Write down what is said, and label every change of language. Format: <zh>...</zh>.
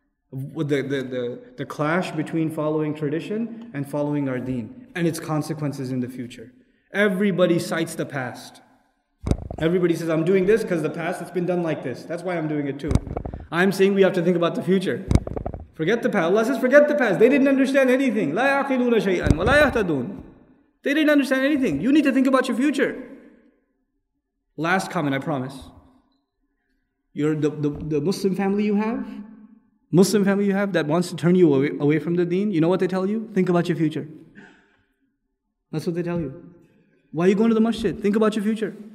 <en>With the clash between following tradition and following our deen, and its consequences in the future. Everybody cites the past. Everybody says, I'm doing this because the past, it's been done like this. That's why I'm doing it too. I'm saying we have to think about the future. Forget the past. Allah says, forget the past. They didn't understand anything.</en> <ar>لَا يَعْقِلُونَ شَيْئًا وَلَا يَهْتَدُونَ</ar> <en>They didn't understand anything. You need to think about your future. Last comment, I promise. You're the Muslim family you have, that wants to turn you away from the deen, you know what they tell you? Think about your future. That's what they tell you. Why are you going to the masjid? Think about your future.</en>